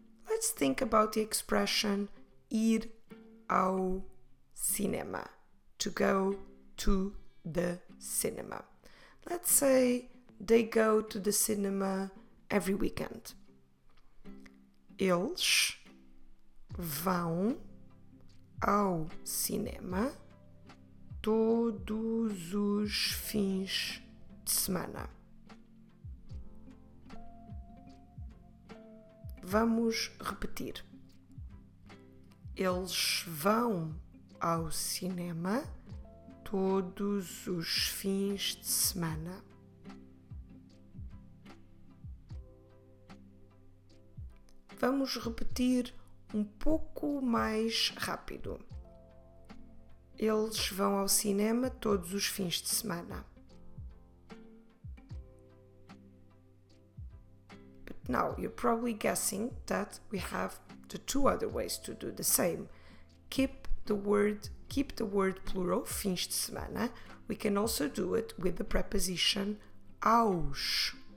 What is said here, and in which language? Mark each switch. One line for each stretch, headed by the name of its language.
English: Let's think about the expression
Portuguese: ir ao cinema,
English: to go to the cinema. Let's say they go to the cinema every weekend.
Portuguese: eles vão ao cinema todos os fins de semana. Vamos repetir. Eles vão ao cinema todos os fins de semana. Vamos repetir um pouco mais rápido. Eles vão ao cinema todos os fins de semana.
English: But now you're probably guessing that we have the two other ways to do the same. Keep the word plural,
Portuguese: fins de semana.
English: We can also do it with the preposition aos.